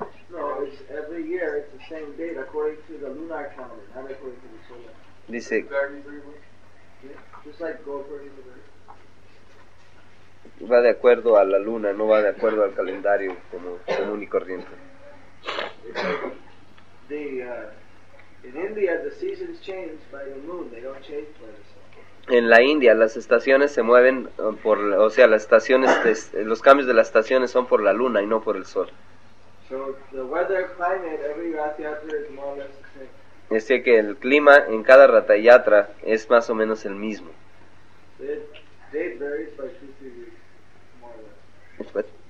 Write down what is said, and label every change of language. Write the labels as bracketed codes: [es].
[en] No, it's every year it's the same date according to the lunar calendar, not according to the solar. [es] Dice. [en] Yeah, just like go according to the. [es] Va de acuerdo a la luna, no va de acuerdo al calendario como común y corriente. [en] In India the seasons change by the moon, they don't change by the sun. [es] En la India las estaciones se mueven por, o sea, las estaciones, los cambios de las estaciones son por la luna y no por el sol. [en] So the weather, climate, every Ratha Yatra is more or less the same. [es] Es decir, que el clima en cada Ratha Yatra es más o menos el mismo. [en] The date varies by 2 to 3 weeks, more or less.